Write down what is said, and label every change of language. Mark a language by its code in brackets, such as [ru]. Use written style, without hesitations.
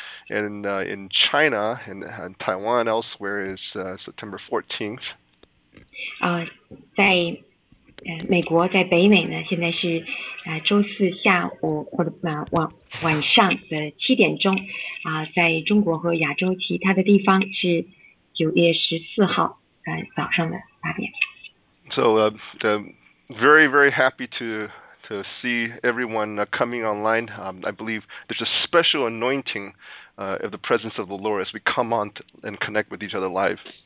[en] And in China, in Taiwan, elsewhere, is September 14th. [zh] 在美国，在北美呢，现在是周四下午或者晚上的7点钟，在中国和亚洲其他的地方是9月14号早上的8点。So [en] very very happy to see everyone coming online. I believe there's a special anointing of the presence of the Lord as we come on and connect with each other live.